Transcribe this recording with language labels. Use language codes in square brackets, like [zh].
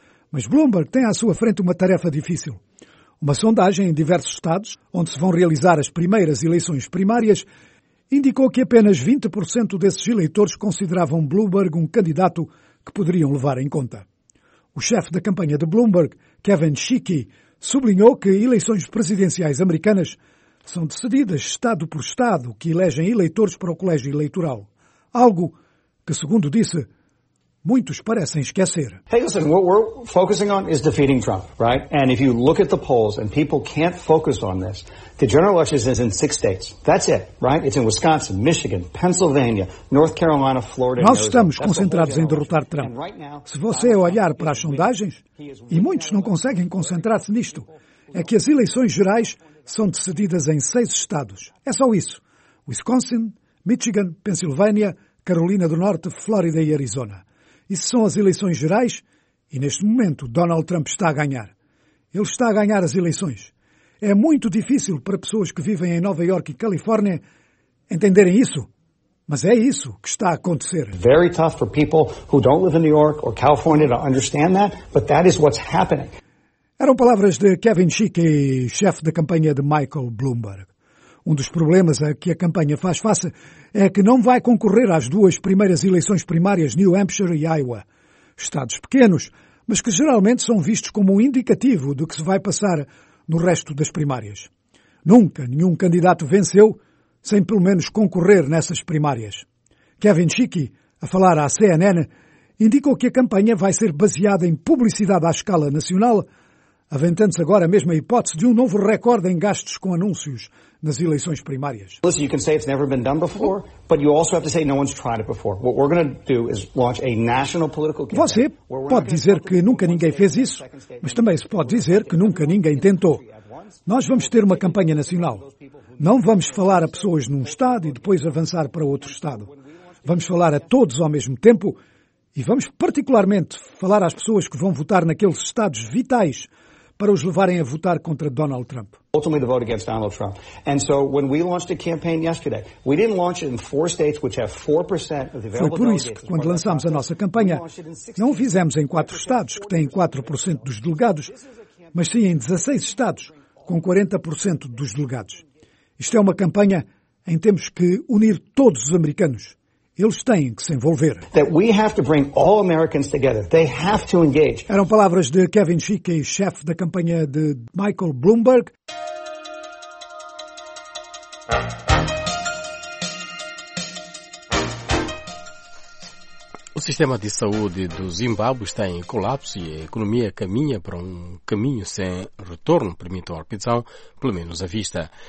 [pt] Mas Bloomberg tem à sua frente uma tarefa difícil. Uma sondagem em diversos estados, onde se vão realizar as primeiras eleições primárias, indicou que apenas 20% desses eleitores consideravam Bloomberg um candidato que poderiam levar em conta. O chefe da campanha de Bloomberg, Kevin Shiki, sublinhou que eleições presidenciais americanas são decididas estado por estado, que elegem eleitores para o colégio eleitoral. Algo que, segundo disse, muitos parecem esquecer. [en] Hey, listen, what we're focusing on is defeating Trump, right? And if you look at the polls and people can't focus on this, the general election is in six states. That's it, right? It's in Wisconsin, Michigan, Pennsylvania, North Carolina, Florida. [pt] Nós estamos concentrados em derrotar Trump. Se você olhar para as sondagens, e muitos não conseguem concentrar-se nisto, é que as eleições gerais são decididas em seis estados. É só isso. Wisconsin, Michigan, Pennsylvania, Carolina do Norte, Flórida e Arizona. Isso são as eleições gerais e, neste momento, Donald Trump está a ganhar. Ele está a ganhar as eleições. É muito difícil para pessoas que vivem em Nova Iorque e Califórnia entenderem isso. Mas é isso que está a acontecer. [en] Very tough for people who don't live in New York or California to understand that, but that is what's happening. [pt] Eram palavras de Kevin Shiki, chefe da campanha de Michael Bloomberg. Um dos problemas a que a campanha faz face é que não vai concorrer às duas primeiras eleições primárias, New Hampshire e Iowa. Estados pequenos, mas que geralmente são vistos como um indicativo do que se vai passar no resto das primárias. Nunca nenhum candidato venceu sem pelo menos concorrer nessas primárias. Kevin Shiki, a falar à CNN, indicou que a campanha vai ser baseada em publicidade à escala nacional, aventando-se agora mesmo a hipótese de um novo recorde em gastos com anúncios nas eleições primárias. [en] Listen, you can say it's never been done before, but you also have to say no one's tried it before. What we're going to do is launch a national political campaign. [pt] Você pode dizer que nunca ninguém fez isso, mas também se pode dizer que nunca ninguém tentou. Nós vamos ter uma campanha nacional. Não vamos falar a pessoas num estado e depois avançar para outro estado. Vamos falar a todos ao mesmo tempo e vamos particularmente falar às pessoas que vão votar naqueles estados vitais para os levarem a votar contra Donald Trump. [en] Ultimately, the vote against Donald Trump. And so, when we launched a campaign yesterday, we didn't launch it in four states which have 4% of the available. [pt] Foi por isso que, quando lançámos a nossa campanha, não fizemos em quatro estados que têm 4% dos delegados, mas sim em 16 estados com 40% dos delegados. Isto é uma campanha em que temos que unir todos os americanos. Eles têm que se envolver. [en] That we have to bring all Americans together. They have to engage. [pt] Eram palavras de Kevin Shiki, chefe da campanha de Michael Bloomberg. O sistema de saúde do Zimbábue está em colapso e a economia caminha para um caminho sem retorno, permitam a repetição, pelo menos à vista.